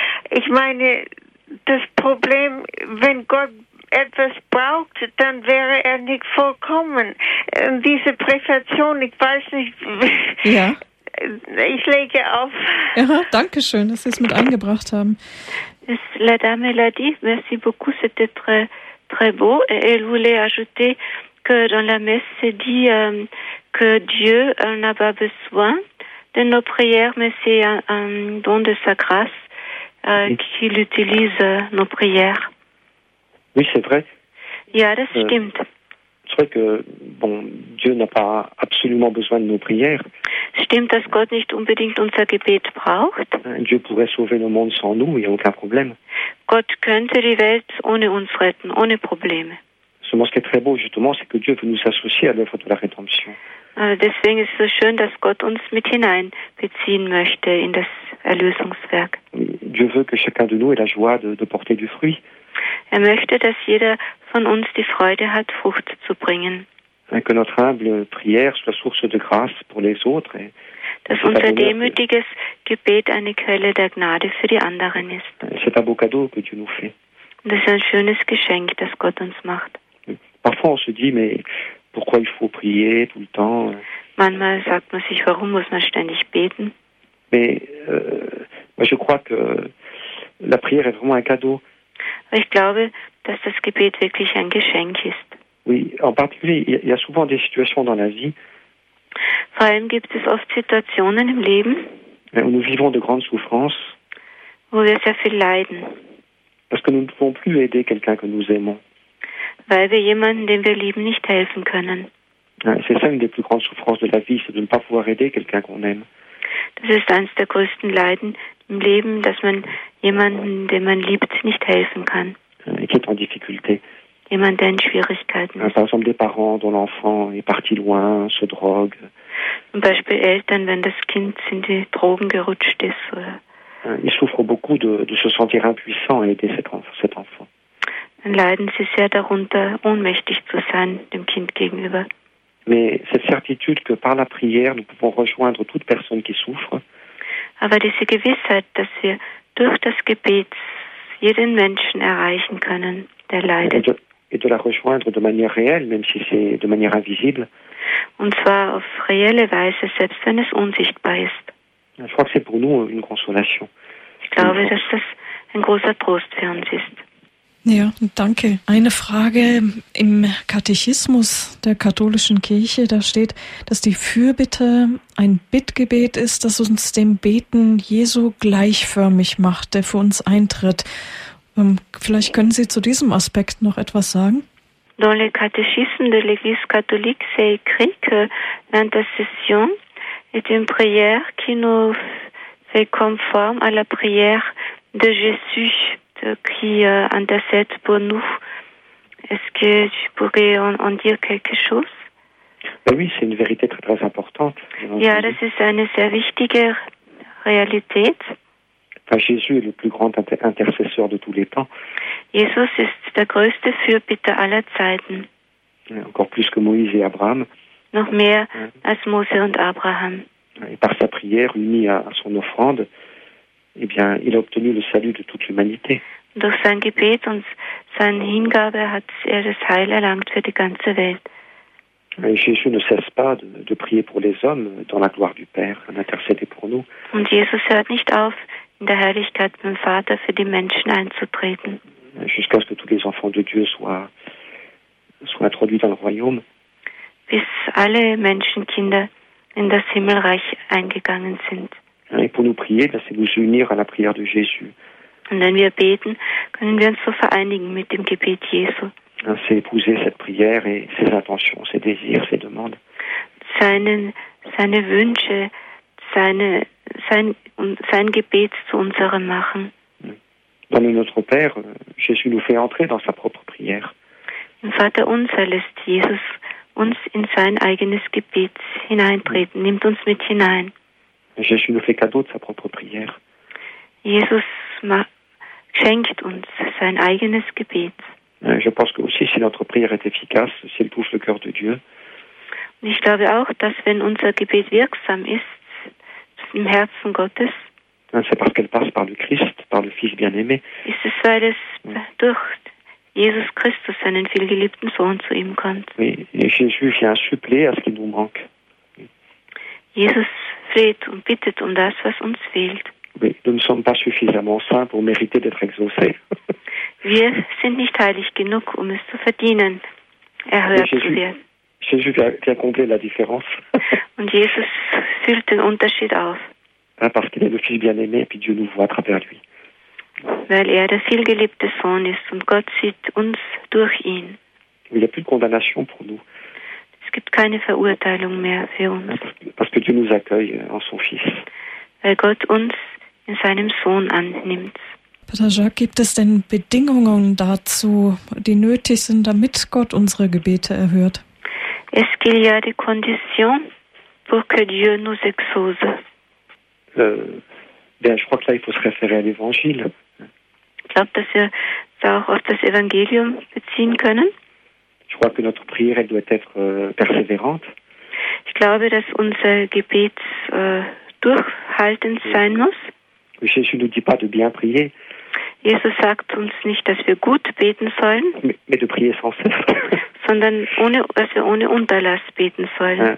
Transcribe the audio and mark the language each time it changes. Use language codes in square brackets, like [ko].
[de] Ich meine, das Problem, wenn Gott etwas braucht, dann wäre er nicht vollkommen. Diese Präsentation, ich weiß nicht, ja. Ich lege auf. Aha, danke schön, dass Sie es mit eingebracht haben. [fr] La dame l'a dit, merci beaucoup, c'était très, très beau. Et elle voulait ajouter que dans la messe, c'est dit que Dieu n'a pas besoin de nos prières, mais c'est un don de sa grâce qu'il utilise nos prières. Oui, c'est vrai. [de] Ja, das stimmt. [fr] C'est vrai que bon, Dieu n'a pas absolument besoin de nos prières. [de] Stimmt, dass Gott nicht unbedingt unser Gebet braucht? [fr] Dieu pourrait sauver le monde sans nous, il n'y a aucun problème. [de] Gott könnte die Welt ohne uns retten, ohne Probleme. [fr] Seulement, ce qui est très beau, justement, c'est que Dieu veut nous associer à l'œuvre de la rédemption. [de] Deswegen ist es so schön, dass Gott uns mit hineinbeziehen möchte in das Erlösungswerk. [fr] Dieu veut que chacun de nous ait la joie de porter du fruit. [de] Er möchte, dass jeder von uns die Freude hat, Frucht zu bringen. [fr] que notre humble prière soit source de grâce pour les autres. Et [de] dass unser demütiges Gebet eine Quelle der Gnade für die anderen ist. [fr] C'est un beau cadeau que Dieu nous fait. [de] Das ist ein schönes Geschenk, das Gott uns macht. [fr] Parfois on se dit, mais pourquoi il faut prier tout le temps? [de] Manchmal sagt man sich, warum muss man ständig beten? [fr] Mais moi je crois que la prière est vraiment un cadeau. [de] Ich glaube, dass das Gebet wirklich ein Geschenk ist. [fr] Oui, en particulier, il y a souvent des situations dans la vie. [de] Vor allem gibt es oft Situationen im Leben, [fr] où nous vivons de grandes souffrances, [de] wo wir sehr viel leiden. [fr] Parce que nous ne pouvons plus aider quelqu'un que nous aimons. [de] Weil wir jemanden, den wir lieben, nicht helfen können. [fr] C'est ça une des plus grandes souffrances de la vie, c'est de ne pas pouvoir aider quelqu'un qu'on aime. [de] Das ist eines der größten Leiden im Leben, dass man jemanden, den man liebt, nicht helfen kann. [fr] Et qui est en difficulté. [de] Jemand, der in Schwierigkeiten ist. [fr] Par exemple, des parents dont l'enfant est parti loin, se drogue. [de] Zum Beispiel Eltern, wenn das Kind in die Drogen gerutscht ist. Oder. [fr] Ils souffrent beaucoup de se sentir impuissant à aider cet enfant. [de] Dann leiden sie sehr darunter, ohnmächtig zu sein dem Kind gegenüber. [fr] Mais cette certitude que par la prière nous pouvons rejoindre toute personne qui souffre. [de] Aber diese Gewissheit, dass wir durch das Gebet jeden Menschen erreichen können, der leidet. [fr] Et de la rejoindre de manière réelle, même si c'est de manière invisible. [de] Und zwar auf reelle Weise, selbst wenn es unsichtbar ist. [fr] Je crois que c'est pour nous une consolation. [de] Ich glaube, dass das ein großer Trost für uns ist. Ja, danke. Eine Frage im Katechismus der katholischen Kirche, da steht, dass die Fürbitte ein Bittgebet ist, das uns dem Beten Jesu gleichförmig macht, der für uns eintritt. Vielleicht können Sie zu diesem Aspekt noch etwas sagen? [fr] Dans le catéchisme de l'Église catholique, c'est écrit que l'intercession est une prière qui nous fait conforme à la prière de Jésus qui intercède pour nous. Est-ce que je pourrais en dire quelque chose? Ben oui, c'est une vérité très très importante. [de] Ja, das ist eine sehr wichtige Realität. [fr] Jésus est le plus grand intercesseur de tous les temps. [de] Jesus ist der größte Fürbitter aller Zeiten. [fr] Encore plus que Moïse et Abraham. [de] Noch mehr als Mose und Abraham. [fr] Et par sa prière unie à son offrande, eh bien, il a obtenu le salut de toute l'humanité. [de] Durch sein Gebet und seine Hingabe hat er das Heil erlangt für die ganze Welt. [fr] Et Jésus ne cesse pas de prier pour les hommes dans la gloire du Père, d'intercéder pour nous. [de] Und Jesus hört nicht auf, in der Herrlichkeit beim Vater für die Menschen einzutreten. [fr] Jusqu'à ce que tous les enfants de Dieu soient introduits dans le royaume. [de] Bis alle Menschenkinder in das Himmelreich eingegangen sind. [fr] Et pour nous prier, c'est nous unir à la prière de Jésus. [de] Und wenn wir beten, können wir uns so vereinigen mit dem Gebet Jesu. [fr] C'est épouser cette prière et ses intentions, ses désirs, ses demandes. [de] Seine Wünsche, sein Gebet zu unserem machen. [fr] Dans le Notre Père, Jésus nous fait entrer dans sa propre prière. [de] Im Vater unser lässt Jesus uns in sein eigenes Gebet hineintreten, nimmt uns mit hinein. [fr] Jésus nous fait cadeau de sa propre prière. [de] Jesus schenkt uns sein eigenes Gebet. [fr] Je pense que aussi si notre prière est efficace, si elle touche le cœur de Dieu. [de] Und ich glaube auch, dass wenn unser Gebet wirksam ist, im Herzen Gottes. [fr] C'est parce qu'elle passe par le Christ, par le Fils bien-aimé. [de] Ist es, weil es durch Jesus Christus, seinen vielgeliebten Sohn, zu ihm kommt. [fr] Oui, Jésus vient suppléer à ce qui nous manque. [de] Jesus fleht und bittet um das, was uns fehlt. [fr] Oui, nous ne sommes pas suffisamment saints pour mériter d'être exaucés. [de] Wir sind nicht heilig genug, um es zu verdienen, erhört zu werden. [fr] Jésus vient combler la différence. [de] Und Jesus füllt den Unterschied auf. [fr] Parce qu'il est le Fils bien-aimé et puis Dieu nous voit à travers lui. [de] Weil er der vielgeliebte Sohn ist und Gott sieht uns durch ihn. [fr] Il n'y a plus de condamnation pour nous. [de] Es gibt keine Verurteilung mehr für uns. [fr] Parce que Dieu nous accueille en son Fils. [de] Weil Gott uns in seinem Sohn annimmt. Pater Jacques, gibt es denn Bedingungen dazu, die nötig sind, damit Gott unsere Gebete erhört? [fr] Est-ce qu'il y a des conditions pour que Dieu nous exauce? Je crois que là, il faut se référer à l'Évangile. [de] Ich glaube, dass wir da auch auf das Evangelium beziehen können. [fr] Je crois que notre prière, elle doit être persévérante. [de] Ich glaube, dass unser Gebet durchhaltend sein muss. [fr] Jésus ne nous dit pas de bien prier. [de] Jesus sagt uns nicht, dass wir gut beten sollen, [fr] mais de prier sans cesse. [de] Sondern ohne, dass wir ohne Unterlass beten sollen.